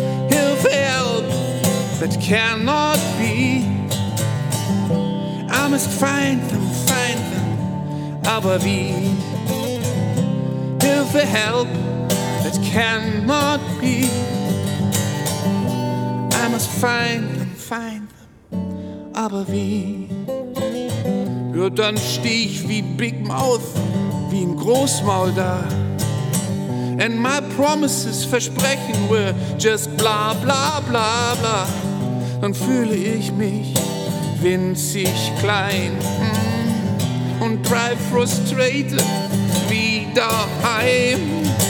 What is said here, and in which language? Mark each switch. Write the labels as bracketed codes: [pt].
[en] If help that cannot be, I must find them, [de] aber wie? [en] If the help that cannot be, I must find them, [de] aber wie? Ja, dann steh ich wie [en] Big Mouth, [de] wie ein Großmaul da. [en] And my promises, Versprechen were just bla bla bla bla. [de] Dann fühle ich mich winzig klein und [en] drive frustrated [de] wieder heim.